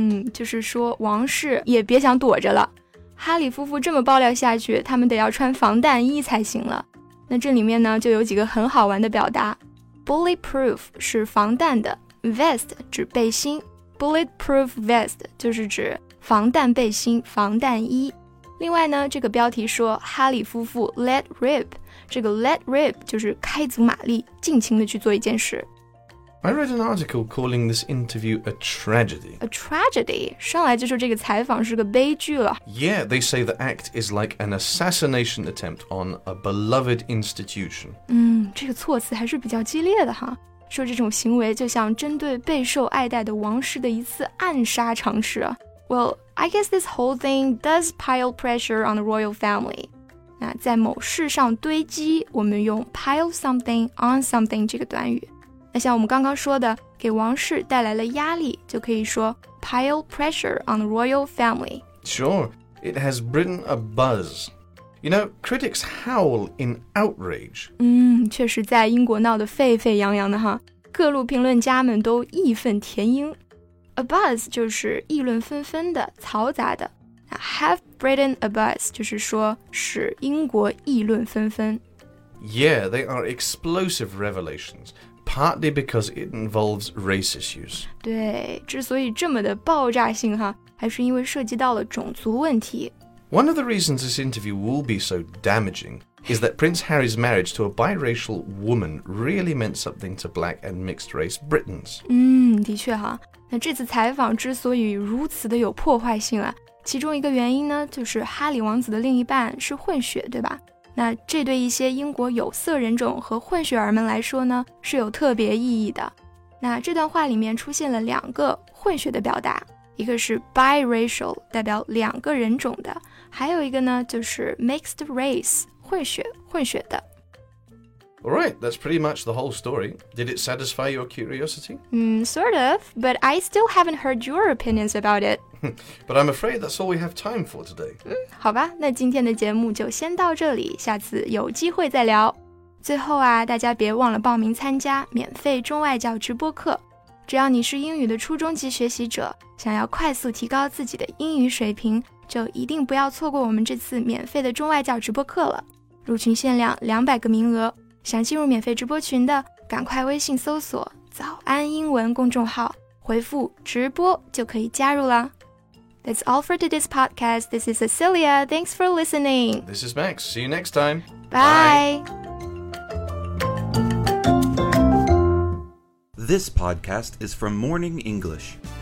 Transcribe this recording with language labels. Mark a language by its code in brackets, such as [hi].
[zh] 就是说王室也别想躲着了。哈里夫妇这么爆料下去，他们得要穿防弹衣才行了。那这里面呢，就有几个很好玩的表达。Bulletproof 是防弹的 ,vest 指背心。 Bulletproof vest 就是指防弹背心、防弹衣。另外呢，这个标题说哈里夫妇 let rip， 这个 let rip 就是开足马力，尽情的去做一件事。 [en] I read an article calling this interview a tragedy. A tragedy， [zh] 上来就说这个采访是个悲剧了。 [en] Yeah， they say the act is like an assassination attempt on a beloved institution. [zh] 这个措辞还是比较激烈的哈，说这种行为就像针对备受爱戴的王室的一次暗杀尝试。 [en] Well, I guess this whole thing does pile pressure on the royal family. [zh] 那在某事上堆积，我们用 [en] pile something on something [zh] 这个短语。那像我们刚刚说的，给王室带来了压力，就可以说 [en] pile pressure on the royal family. Sure, it has written a buzz. You know, critics howl in outrage. [zh] 确实在英国闹得沸沸扬扬的哈，各路评论家们都义愤填膺。 A buzz 就是议论纷纷的、嘈杂的。 [en] Have Britain a buzz [zh] 就是说使英国议论纷纷。 [en] Yeah, they are explosive revelations, partly because it involves race issues. [zh] 对，之所以这么的爆炸性哈，还是因为涉及到了种族问题。 [en] One of the reasons this interview will be so damaging is that Prince Harry's marriage to a biracial woman really meant something to black and mixed race Britons. [zh] 的确哈。那这次采访之所以如此的有破坏性啊，其中一个原因呢，就是哈里王子的另一半是混血，对吧？那这对一些英国有色人种和混血儿们来说呢，是有特别意义的。那这段话里面出现了两个混血的表达，一个是 biracial， 代表两个人种的，还有一个呢，就是 mixed race， 混血，混血的。 [en] All right, that's pretty much the whole story. Did it satisfy your curiosity? Sort of, but I still haven't heard your opinions about it. But I'm afraid that's all we have time for today. [zh] 好吧，那今天的节目就先到这里，下次有机会再聊。最后啊，大家别忘了报名参加免费中外教直播课。只要你是英语的初中级学习者，想要快速提高自己的英语水平，就一定不要错过我们这次免费的中外教直播课了。入群限量200个名额。想进入免费直播群的，赶快微信搜索“早安英文”公众号，回复“直播”就可以加入啦。 [en] That's all for today's podcast. This is Cecilia. Thanks for listening. This is Max. See you next time. Bye. This podcast is from Morning English.